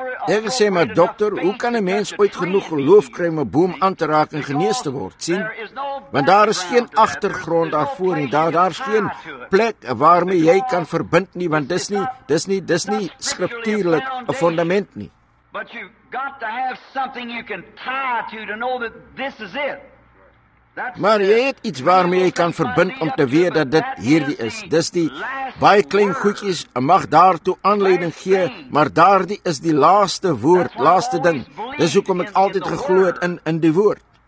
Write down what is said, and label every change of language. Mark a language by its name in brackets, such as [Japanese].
[Afrikaans] Ek sê, maar dokter, hoe kan een mens ooit genoeg geloof kry om een boom aan te raak en genees te word, sien? Want daar is geen achtergrond daarvoor nie, daar is geen plek waarmee jy kan verbind nie, want dis nie skriptuurlik een fundament nie. [English] But you got to have something you can tie to know that this is it. [Afrikaans] Maar jy het iets waarmee jy kan verbind om te weet dat dit hierdie is. Dis die baie klein goedjies mag daartoe aanleiding gee, maar daardie is die laaste woord, laaste ding. Dis hoekom ek altyd geglo het in die woord.